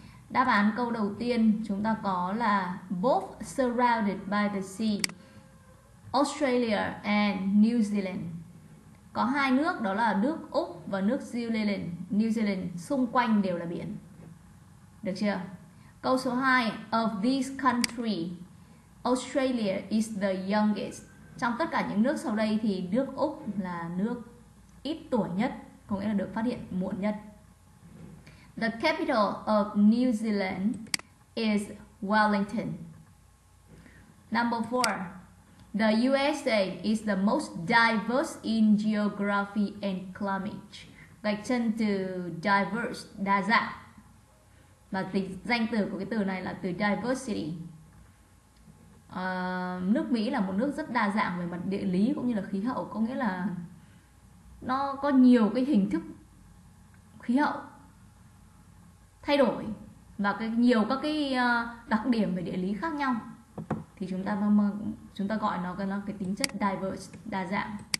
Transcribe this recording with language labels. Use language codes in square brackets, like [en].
[vi] Đáp án câu đầu tiên chúng ta có là [en] both surrounded by the sea, Australia and New Zealand. [vi] Có hai nước, đó là nước Úc và nước New Zealand, xung quanh đều là biển. Được chưa? Câu số 2, [en] of these countries, Australia is the youngest. [vi] Trong tất cả những nước sau đây thì nước Úc là nước ít tuổi nhất, có nghĩa là được phát hiện muộn nhất. [en] The capital of New Zealand is Wellington. Number 4. The USA is the most diverse in geography and climate. [vi] Gạch chân từ diverse, đa dạng. Và danh từ của cái từ này là từ diversity. Nước Mỹ là một nước rất đa dạng về mặt địa lý cũng như là khí hậu, có nghĩa là nó có nhiều cái hình thức khí hậu thay đổi và cái nhiều các cái đặc điểm về địa lý khác nhau, thì chúng ta gọi nó là cái tính chất diverse, đa dạng.